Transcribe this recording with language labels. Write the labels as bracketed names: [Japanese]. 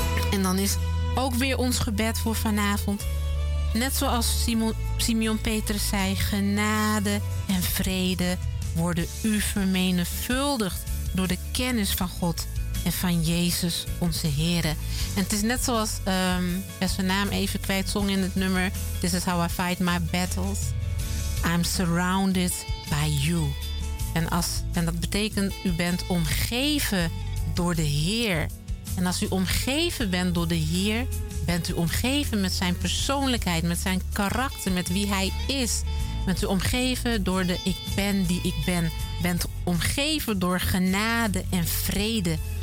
[Dutch] En dan is ook weer ons gebed voor vanavond. Net zoals Simeon Petrus zei, genade en vrede worden u vermenigvuldigd door de kennis van God en van Jezus, onze Heere. En het is net zoals zijn naam even kwijt zong in het nummer. [English] This is how I fight my battles. I'm surrounded by you. [Dutch] En dat betekent, u bent omgeven door de Heer. En als u omgeven bent door de Heer, bent u omgeven met zijn persoonlijkheid, met zijn karakter, met wie hij is. Bent u omgeven door de ik ben die ik ben. Bent omgeven door genade en vrede.